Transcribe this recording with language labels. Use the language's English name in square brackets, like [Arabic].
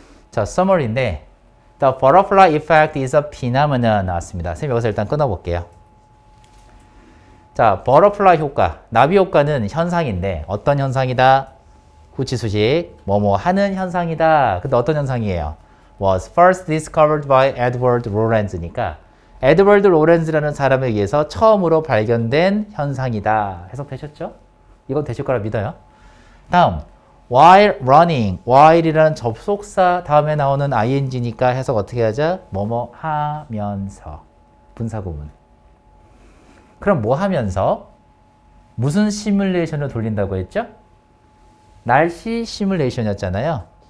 [Korean] 자, 서머리인데 [English] The butterfly effect is a phenomenon 나왔습니다. [Korean] 선생님 여기서 일단 끊어볼게요. 자, butterfly 효과, 나비 효과는 현상인데 어떤 현상이다? 후치수식, 뭐뭐 하는 현상이다. 근데 어떤 현상이에요? [English] Was first discovered by Edward Lorenz [Korean] 니까 Edward Lorenz라는 사람에 의해서 처음으로 발견된 현상이다. 해석되셨죠? 이건 되실 거라 믿어요. 다음 while running, while이라는 접속사 다음에 나오는 ing니까 해석 어떻게 하자? 뭐뭐 하면서 분사 구문. 그럼 뭐 하면서? 무슨 시뮬레이션을 돌린다고 했죠? 날씨 시뮬레이션이었잖아요.